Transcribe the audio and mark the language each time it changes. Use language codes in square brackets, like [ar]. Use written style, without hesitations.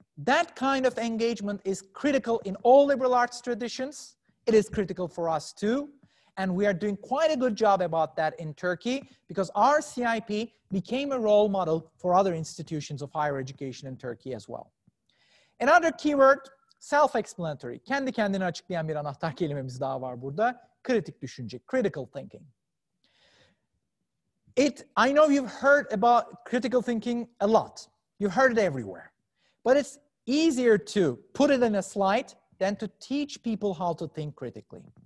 [en] That kind of engagement is critical in all liberal arts traditions. It is critical for us too. And we are doing quite a good job about that in Turkey because our CIP became a role model for other institutions of higher education in Turkey as well. Another keyword, self-explanatory. [tr] Kendi kendini açıklayan bir anahtar kelimemiz daha var burada. Kritik düşünce, critical thinking. [en] I know you've heard about critical thinking a lot. You've heard it everywhere. But it's easier to put it in a slide than to teach people how to think critically.